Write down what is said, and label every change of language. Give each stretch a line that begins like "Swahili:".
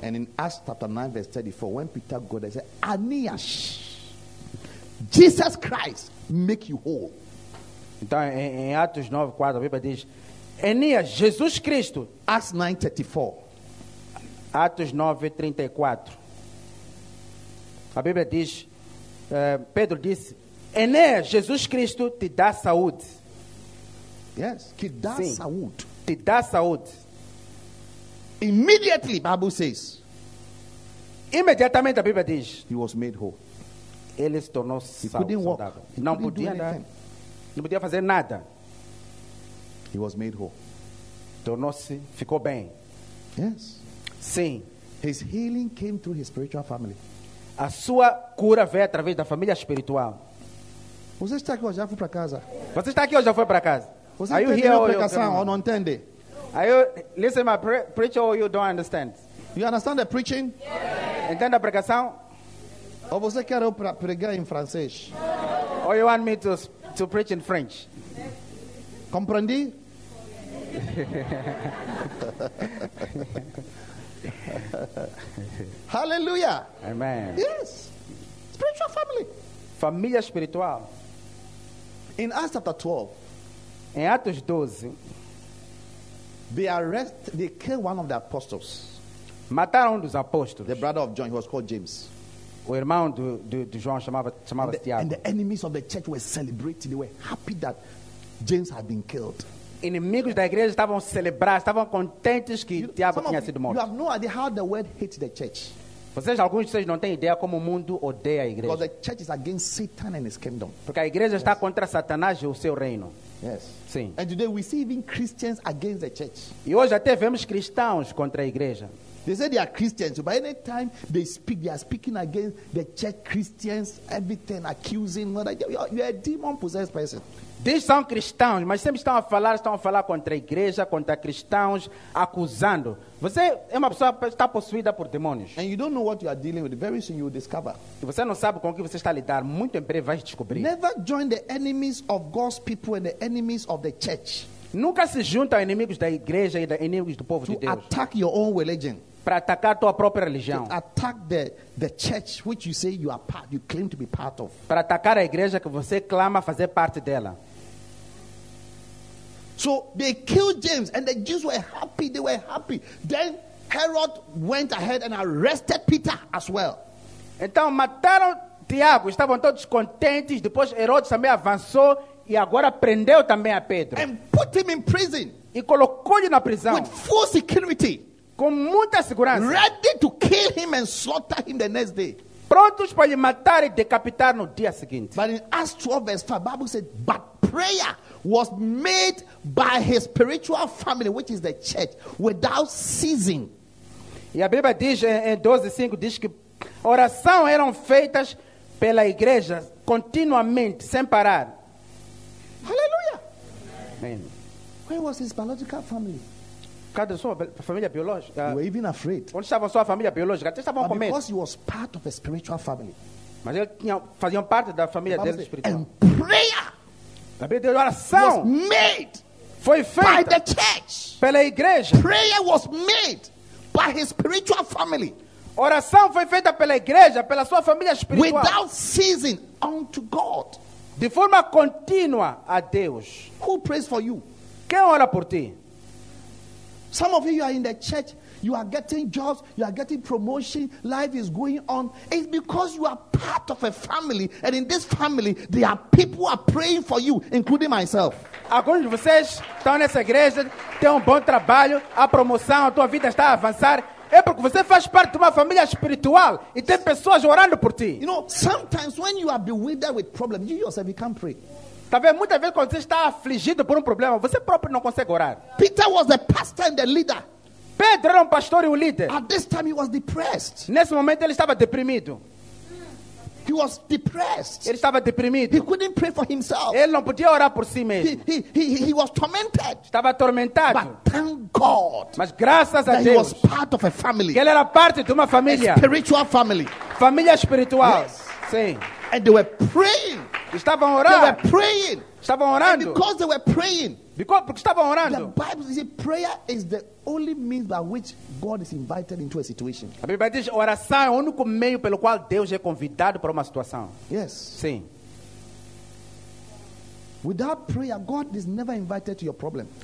English: And in Acts chapter 9 verse 34, when Peter got there, he said, Aeneas, Jesus Christ, make you whole.
Portuguese: Então, em Atos 9, 4, a Bíblia diz, Aeneas, Jesus Cristo.
English: Acts 9, 34.
Portuguese: Atos 9, 34. A Bíblia diz, Pedro disse, Aeneas, Jesus Cristo, te dá saúde. Yes, que dá Sim. saúde. Te dá saúde.
English: Immediately, Bible says.
Portuguese: Imediatamente, a Bíblia diz,
English: he was made whole.
Portuguese: Ele se tornou saudável. Não podia andar. Não podia fazer nada.
English: He was made whole.
Portuguese: Tornou-se, ficou bem.
English: Yes.
Portuguese: Sim.
English: His healing came through his spiritual family.
Portuguese: A sua cura veio através da família espiritual. Você está aqui hoje, já foi para casa. Você está aqui hoje, já foi para casa. Você
English: are you here or
Portuguese: pregação, ou não entende?
English: Are you listen my preacher or you don't understand? You understand the preaching? Yeah.
Portuguese: Entende a pregação? Ou você quer eu pregar em francês?
English: Or you want me to preach in French?
Portuguese: Comprendi?
English: Hallelujah. Amen. Yes. Spiritual family.
Portuguese: Família espiritual.
English: In Acts chapter 12.
Portuguese: Em Atos 12.
English: They arrest, they kill one of the apostles.
Portuguese: Mataram um dos apóstolos.
English: The brother of John, he was called James.
Portuguese: O irmão do João chamava
English: and the,
Portuguese: Tiago.
English: And the enemies of the church were celebrating. They were happy that James had been killed.
Portuguese: Inimigos da igreja estavam celebrando, estavam contentes que Tiago tinha sido morto.
English: You have no idea how the world hates the church.
Portuguese: Vocês, alguns de vocês não têm ideia como o mundo odeia a igreja.
English: Because the church is against Satan and his kingdom.
Portuguese: Porque a igreja está contra Satanás e o seu reino.
English: Yes.
Portuguese: Sim.
English: And today we see even Christians against the church.
Portuguese: E hoje até vemos cristãos contra a igreja.
English: They say they are Christians, but any time they speak, they are speaking against the church, Christians, everything, accusing. You are a demon-possessed person.
Portuguese: Diz são cristãos, mas sempre estão a falar contra a igreja, contra cristãos, acusando. Você é uma pessoa que está possuída por demônios.
English: And you don't know what you are dealing with. Very soon you will discover.
Portuguese: E você não sabe com o que você está a lidar. Muito em breve vai descobrir.
English: Never join the enemies of God's people and the enemies of the church.
Portuguese: Nunca se junta a inimigos da igreja e inimigos do povo
English: to
Portuguese: de Deus.
English: Attack your own religion.
Portuguese: Para atacar tua própria religião.
English: To attack the church which you say you are part, you claim to be part of.
Portuguese: Para atacar a igreja que você clama fazer parte dela.
English: So they killed James and the Jews were happy. They were happy. Then Herod went ahead and arrested Peter as well.
Portuguese: Então mataram Tiago. Estavam todos contentes. Depois Herodes também avançou. E agora prendeu também a Pedro.
English: And put him in prison.
Portuguese: E colocou-lhe na prisão.
English: With full security.
Portuguese: Com muita segurança.
English: Ready to kill him and slaughter him the next day.
Portuguese: Prontos para lhe matar e decapitar no dia seguinte.
English: But in Acts 12 verse 5, Bible said, but prayer was made by his spiritual family, which is the church, without ceasing.
Portuguese: E a Bíblia diz em 12:5 diz que orações eram feitas pela igreja continuamente, sem parar.
English: Hallelujah. Amen. Where was his biological family?
Portuguese: Cada sua família biológica.
English: We were even afraid.
Portuguese: Onde estava sua família biológica? Até estavam com medo.
English: Because he was part of a spiritual family.
Portuguese: Mas ele tinha, fazia parte da família dele espiritual.
English: And prayer.
Portuguese: A Bíblia diz oração.
English: Was made.
Portuguese: Foi feita.
English: By the church.
Portuguese: Pela igreja.
English: Prayer was made by his spiritual family.
Portuguese: Oração foi feita pela igreja, pela sua família espiritual.
English: Without ceasing unto God.
Portuguese: De forma contínua a Deus.
English: Who prays for you?
Portuguese: Quem ora por ti?
English: Some of you are in the church. You are getting jobs. You are getting promotion. Life is going on. It's because you are part of a family. And in this family, there are people who are praying for you, including myself.
Portuguese: Alguns de vocês estão nessa igreja, têm bom trabalho, há promoção, a tua vida está a avançar. É porque você faz parte de uma família espiritual e tem pessoas orando por ti.
English: You know, sometimes when you are bewildered with problems, you yourself you can't pray.
Portuguese: Tá vendo? Muitas vezes quando você está afligido por problema, você próprio não consegue orar.
English: Peter was a pastor and a leader.
Portuguese: Pedro era pastor e líder.
English: At this time he was depressed.
Portuguese: Nesse momento ele estava deprimido.
English: He was depressed.
Portuguese: Ele estava deprimido.
English: He couldn't pray for himself.
Portuguese: Ele não podia orar por si mesmo.
English: He was tormented.
Portuguese: Estava atormentado.
English: But thank God.
Portuguese: Mas graças a Deus.
English: He was part of a family.
Portuguese: Que ele era parte de uma família.
English: A spiritual family.
Portuguese: Família espiritual.
English: Yes.
Portuguese: Sim.
English: And they were praying.
Portuguese: Estavam orando.
English: They were praying.
Portuguese: Estavam orando.
English: And because they were praying.
Portuguese: Porque estavam orando.
English: The Bible says prayer is the only means by which God is invited into a situation.
Portuguese: A Bíblia diz oração é o único meio pelo qual Deus é convidado para uma situação.
English: Yes.
Portuguese: Sim.
English: Without prayer, God is never invited to your problem.